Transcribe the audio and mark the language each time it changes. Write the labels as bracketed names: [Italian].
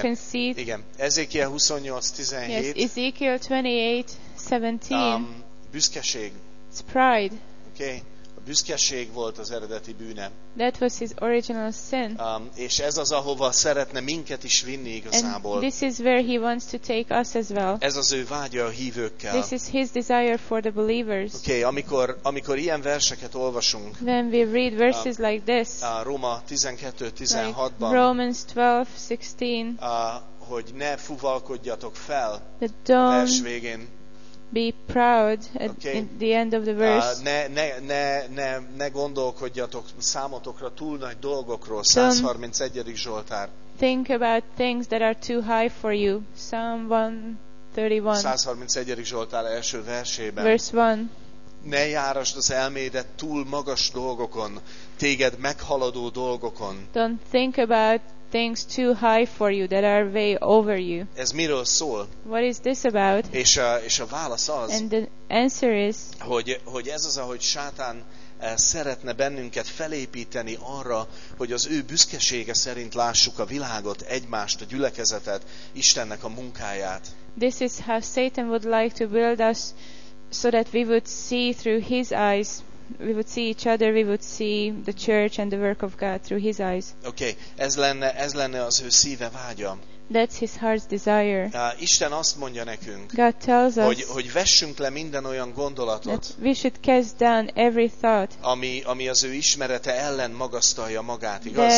[English] Conceit. [Hungarian] Igen. Ezékiel 28:17. [English] Yes, Ezekiel 28:17. [Hungarian] Büszkeség. [English] It's pride. Okay. [Hungarian] A büszkeség volt az eredeti bűne. [English] That was his original sin. [Hungarian] És ez az, ahova szeretne minket is vinni igazából. [English] And this is where he wants to take us as well. [Hungarian] Ez az ő vágya a hívőkkel. [English] This is his desire for the believers. [Hungarian] Okay, amikor ilyen verseket olvasunk. [English] When we read verses like this. [Hungarian] Róma 12:16-ban. [English] Like Romans 12:16. [Hungarian] Hogy ne fuvalkodjatok fel. [English] That don't [Hungarian] vers végén. [English] Be proud at okay. The end of the verse. [Hungarian] Ne gondolkodjatok számotokra túl nagy dolgokról. 131. Zsoltár. [English] Think about things that are too high for you. Psalm 131. [Hungarian] 131. Zsoltár első versében. [English] Verse 1. [Hungarian] Ne járasd az elmédet túl magas dolgokon, téged meghaladó dolgokon. [English] Don't think about things too high for you that are way over you. [Hungarian] Ez miről szól? [English] What is this about? [Hungarian] És a válasz az. [English] And the answer is, [Hungarian] hogy ez az, ahogy Sátán szeretne bennünket felépíteni arra, hogy az ő büszkesége szerint lássuk a világot, egymást, a gyülekezetet, Istennek a munkáját. [English] This is how Satan would like to build us so that we would see through his eyes. We would see each other, we would see the church and the work of God through his eyes. [Hungarian] Okay, ez lenne az ő szíve vágya. [English] That's his heart's desire. [Hungarian] Isten azt mondja nekünk, [English] God tells us, [Hungarian] hogy vessünk le minden olyan gondolatot, [English] we should cast down every thought, [Hungarian] ami az ő ismerete ellen magasztalja magát, igaz?